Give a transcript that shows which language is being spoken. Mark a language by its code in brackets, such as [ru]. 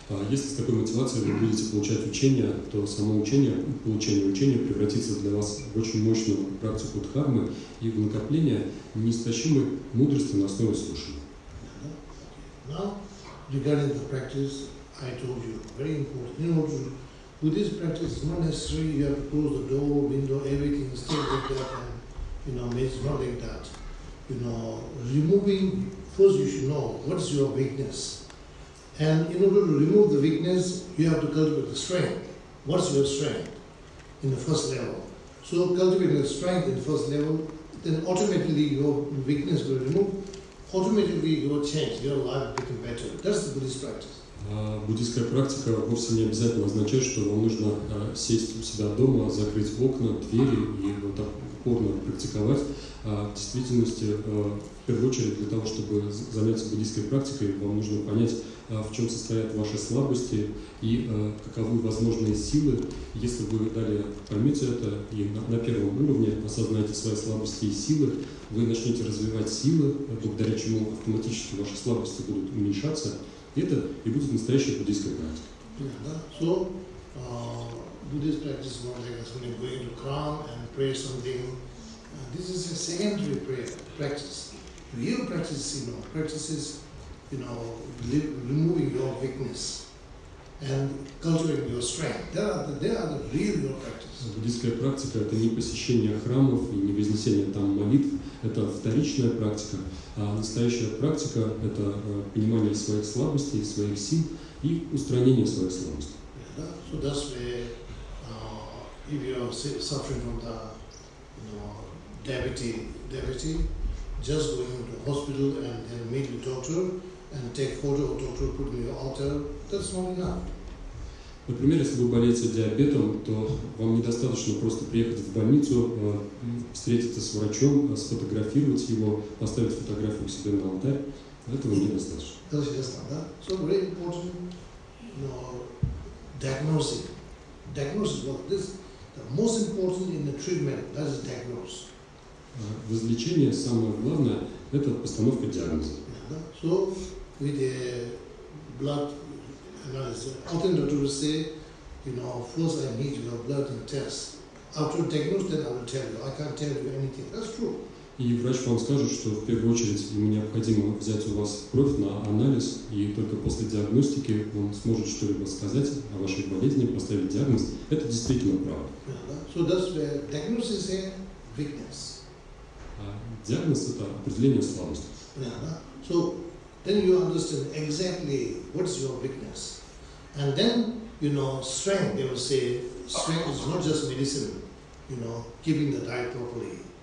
[ru] Если с такой мотивацией вы будете получать учение, то само учение, получение учения превратится для вас в очень мощную практику дхармы и в накопление неистощимой мудрости на основе слушания. [en] Now, regarding the practice, I told you, very important. You know, with this practice, it's not necessary you have to close the door, window, everything, stay like that, and, you know, it's not like that. You know, removing, first you should know what's your weakness. And in order to remove the weakness, you have to cultivate the strength. What's your strength in the first level? So cultivating the strength in the first level, then automatically your weakness will remove. Automatically you will change, your life will become better. That's the Buddhist practice. [ru] Буддийская практика вовсе не обязательно означает, что вам нужно сесть у себя дома, закрыть окна, двери и вот так упорно практиковать. В действительности, в первую очередь, для того, чтобы заняться буддийской практикой, вам нужно понять, в чем состоят ваши слабости и каковы возможные силы. Если вы далее поймете это и на первом уровне осознаете свои слабости и силы, вы начнете развивать силы, благодаря чему автоматически ваши слабости будут уменьшаться, и это и будет настоящая буддийская практика. [en] Buddhist practice is more like when you go into calm and pray something. This is a secondary prayer practice. Real practice, you know, practices, you know, removing your weakness and cultivating your strength. They are the real real practice. [ru] Буддийская практика — это не посещение храмов и не вознесение там молитв. Это вторичная практика. А настоящая практика — это понимание своих слабостей, своих сил и устранение своих слабостей. [en] So that's where. If you are suffering from the, you know, diabetes, just go into hospital and then meet the doctor and take photo of doctor, put in your altar. That's not enough. [ru] Например, если вы болеете диабетом, то вам недостаточно просто приехать в больницу, встретиться с врачом, сфотографировать его, поставить фотографию себе на алтарь. Этого недостаточно. [en] That's just not that. So very important, you know, diagnosis. What this? The most important in the treatment, that is diagnosis. [ru] Возлечение самое главное — это постановка диагноза. [en] So with the blood analysis, often doctors say, you know, first I need your blood and test. After diagnosis, then I will tell you. I can't tell you anything. That's true. [ru] И врач вам скажет, что в первую очередь ему необходимо взять у вас кровь на анализ, и только после диагностики он сможет что-либо сказать о вашей болезни, поставить диагноз. Это действительно правда. [en] So that's where diagnosis is a weakness. [ru] Диагноз – это определение слабости. [en] So then you understand exactly what is your weakness. And then, you know, strength, they will say, strength is not just medicine, you know, keeping the diet properly.